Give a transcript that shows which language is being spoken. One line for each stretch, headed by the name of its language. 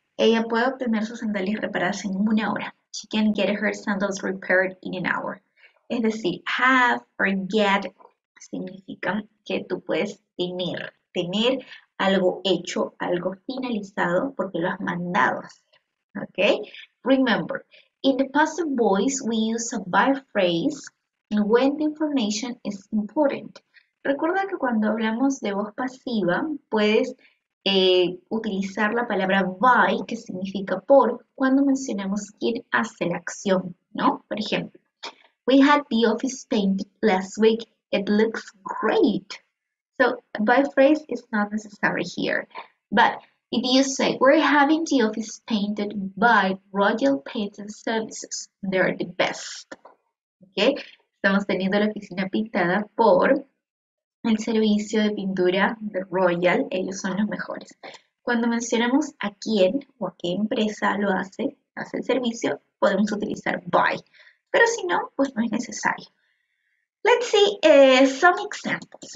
Spanish: Ella puede obtener sus sandalias reparadas en una hora.
English: She can get her sandals repaired in an hour.
Spanish: Es decir, have or get significa que tú puedes tener, tener algo hecho, algo finalizado, porque lo has mandado a hacer.
English: Okay? Remember, in the passive voice, we use a by phrase when the information is important.
Spanish: Recuerda que cuando hablamos de voz pasiva, puedes utilizar la palabra by, que significa por, cuando mencionamos quién hace la acción, ¿no? Por ejemplo,
English: we had the office painted last week. It looks great. So, by phrase is not necessary here. But if you say, we're having the office painted by Royal Paint and Services, they're the best. Okay?
Spanish: Estamos teniendo la oficina pintada por el servicio de pintura de Royal. Ellos son los mejores. Cuando mencionamos a quién o a qué empresa lo hace, hace el servicio, podemos utilizar by. Pero si no, pues no es necesario.
English: Let's see some examples.